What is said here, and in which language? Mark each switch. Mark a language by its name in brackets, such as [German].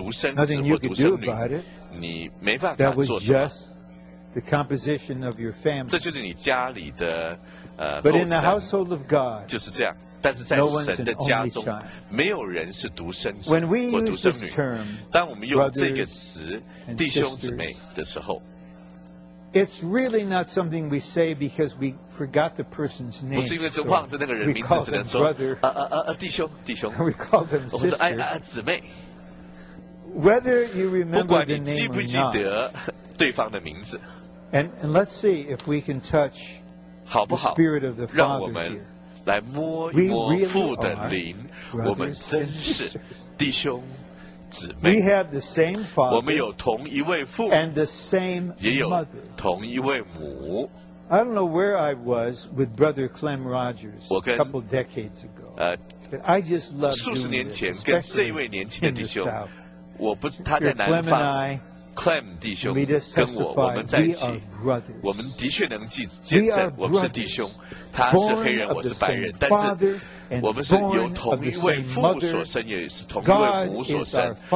[English] Nothing you could do about it. That was just the composition of your family. But in the household of God, [Chinese] 但是在神的家中，没有人是独生子或独生女。当我们用这个词“弟兄姊妹”的时候 [English] ，It's really not something we say because we forgot the person's name. [Chinese] 不是因为是忘着那个人名字，只能说弟兄，弟兄。 [English] We call them sister. [Chinese] 我们说姊妹。 [English] Whether you remember the name or not, [Chinese] 不管你记不记得对方的名字 [English] ，And let's see if we can touch the spirit of the Father here. [Chinese] 来摸一摸父的灵，我们真是弟兄姊妹。我们有同一位父，也有同一位母。 [English] I don't know where I was with Brother Clem Rogers a couple decades ago. I just love [Chinese] 数十年前跟这位年轻的弟兄，我不是他在南方。 Clem 弟兄跟我们在一起，我们的确能见证我们是弟兄。他是黑人，我是白人，但是我们是由同一位父所生，也是同一位母所生。